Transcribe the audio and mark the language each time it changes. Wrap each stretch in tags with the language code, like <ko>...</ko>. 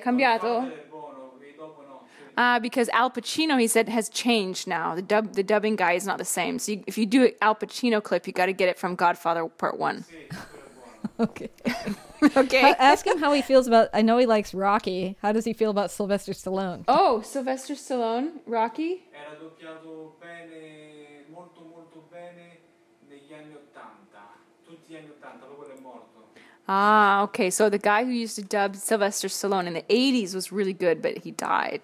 <it>È cambiato?</it> <en>Because Al Pacino, he said, has changed now. The dubbing guy is not the same. So if you do an Al Pacino clip, you got to get it from Godfather Part 1. Okay. Okay. Ask him how he feels about, I know he likes Rocky. How does he feel about Sylvester Stallone? Oh, Sylvester Stallone, Rocky?</en> <it>Era doppiato bene, molto, molto bene negli anni 80. Tutti gli anni 80, dopo è morto. Ah, okay.</it> <en>So the guy who used to dub Sylvester Stallone in the 80s was really good, but he died.</en>